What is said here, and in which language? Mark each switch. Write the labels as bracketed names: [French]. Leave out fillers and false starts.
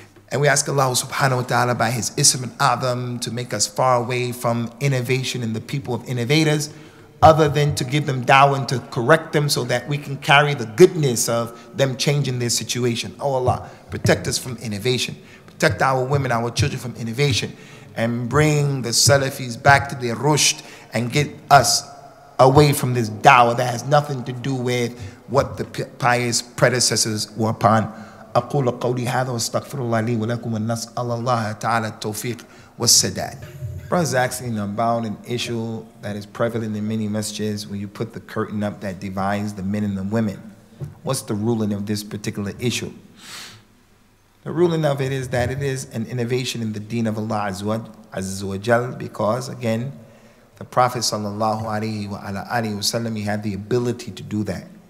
[English] And we ask Allah subhanahu wa ta'ala by his ism and adham to make us far away from innovation and the people of innovators, other than to give them da'wah and to correct them so that we can carry the goodness of them changing their situation. Oh Allah, protect us from innovation. Protect our women, our children from innovation. And bring the Salafis back to their rushd and get us away from this da'wah that has nothing to do with what the pious predecessors were upon. [Arabic] أقول قولي هذا واستغفر الله لي ولكم ونسأل الله تعالى التوفيق والسداد. [English] Brothers asking about an issue that is prevalent in many messages when you put the curtain up that divides the men and the women. What's the ruling of this particular issue? The ruling of it is that it is an innovation in the deen of Allah Azza wa Jal, because again, the Prophet sallallahu alaihi wasallam, he had the ability to do that.